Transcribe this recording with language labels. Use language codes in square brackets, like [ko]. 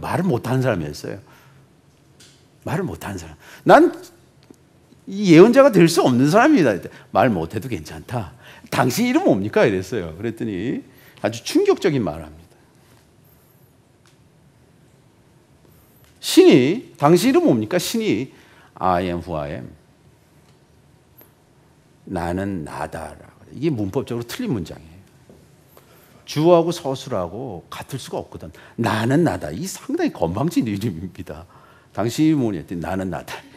[ko] 말을 못하는 사람이었어요. 말을 못하는 사람. 난 이 예언자가 될 수 없는 사람입니다. 말 못해도 괜찮다. 당신 이름 뭡니까? 이랬어요. 그랬더니 아주 충격적인 말을 합니다. 신이 당신 이름 뭡니까? 신이 [en] I am who I am. [ko] 나는 나다. 이게 문법적으로 틀린 문장이에요. 주어하고 서술하고 같을 수가 없거든. 나는 나다. 이 상당히 건방진 이름입니다. 당신 이름 뭐냐 했더니 나는 나다.